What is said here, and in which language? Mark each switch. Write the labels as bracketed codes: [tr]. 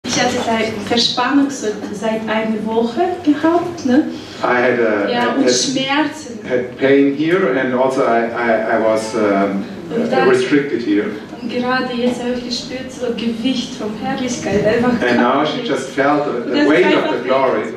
[de] Ich hatte da Verspannung so seit einer Woche gehabt, ne? [en] I had a, [de] ja, und Schmerzen. [en] Had pain here and also I was restricted here. [de] Und gerade jetzt habe ich gespürt so Gewicht vom Herrlichkeit einfach. [en] And now she just felt the weight of the glory.